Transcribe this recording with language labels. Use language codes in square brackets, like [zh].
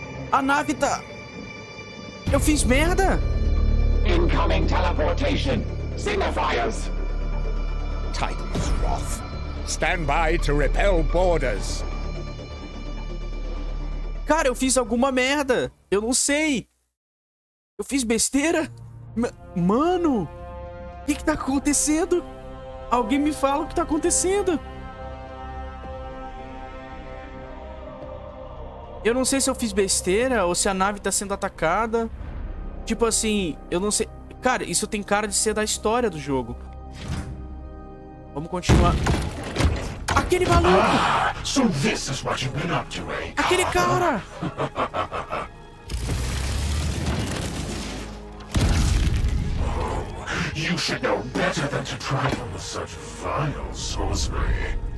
[pt] A nave tá... Eu fiz merda? [en] Incoming teleportation. Signifiers. Titan's wrath. Stand by to repel borders. [pt] Cara, eu fiz alguma merda. Eu não sei. Eu fiz besteira? Mano, o que tá acontecendo? Alguém me fala o que tá acontecendo. Eu não sei se eu fiz besteira ou se a nave tá sendo atacada. Tipo assim, eu não sei. Cara, isso tem cara de ser da história do jogo. Vamos continuar. Aquele maluco! [en] Ah, so this is what you've been up to, eh? [pt] Aquele cara! [en] You should know better than to trifle with such vile sorcery.